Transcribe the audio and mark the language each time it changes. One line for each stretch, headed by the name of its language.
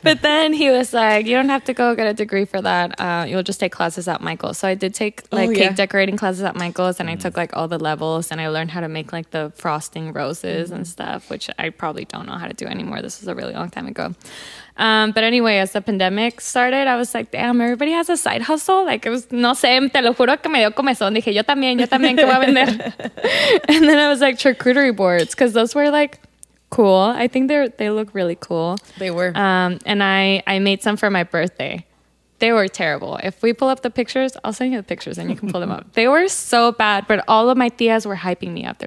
English: But then he was like, you don't have to go get a degree for that. You'll just take classes at Michael's. So I did take cake decorating classes at Michael's. And I took like all the levels. And I learned how to make like the frosting roses and stuff, which I probably don't know how to do anymore. This was a really long time ago. But anyway, as the pandemic started, I was like, damn, everybody has a side hustle. Like, it was,
Spanish: no sé, te lo juro que me dio comezón. Dije, yo también, ¿qué voy a vender?
English: And then I was like, charcuterie boards, because those were, like, cool. I think they look really cool. They were. And I made some for my birthday. They were terrible. If we pull up the pictures, I'll send you the pictures and you can pull them up. They were so bad, but all of my tías were hyping me up.